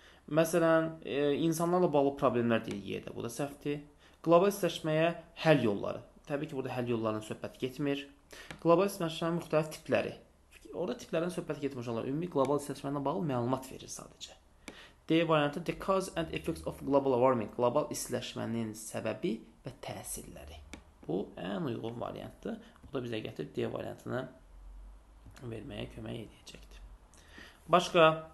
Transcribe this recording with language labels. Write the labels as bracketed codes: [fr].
[az] Məsələn, insanlarla bağlı problemlər deyir yerdə. Bu da səhvdir. Qlobal istiləşməyə həll yolları. Təbii ki, burada həll yollarının söhbəti getmir. Qlobal istiləşmənin müxtəlif tipləri. Orada tiplərin söhbəti getmir. Onlar ümumi qlobal istiləşmənin bağlı məlumat verir sadəcə. D variantı, [en] the cause and effects of global warming. [az] Qlobal istiləşmənin səbəbi və təsirləri. Bu, ən uyğun variantdır. O da bizə gətirib D variantını verməyə kömək edəcəkdir. Başqa...